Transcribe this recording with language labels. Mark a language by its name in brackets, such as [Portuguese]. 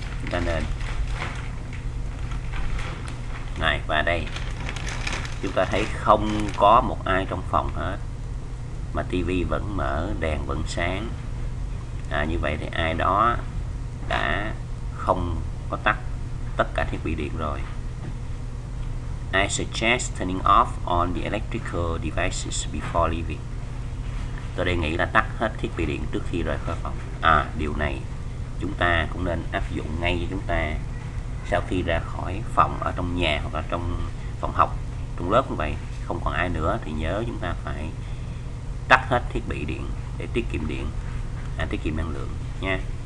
[Vietnamese] Cho nên này, và đây chúng ta thấy không có một ai trong phòng hết, mà tivi vẫn mở, đèn vẫn sáng. Như vậy thì ai đó đã không có tắt tất cả thiết bị điện rồi. [English] I suggest turning off all the electrical devices before leaving. [Vietnamese] Tôi đề nghị là tắt hết thiết bị điện trước khi rời khỏi phòng. Điều này chúng ta cũng nên áp dụng ngay cho chúng ta sau khi ra khỏi phòng, ở trong nhà hoặc là trong phòng học, trong lớp cũng vậy. Không còn ai nữa thì nhớ chúng ta phải tắt hết thiết bị điện để tiết kiệm điện, tiết kiệm năng lượng nha.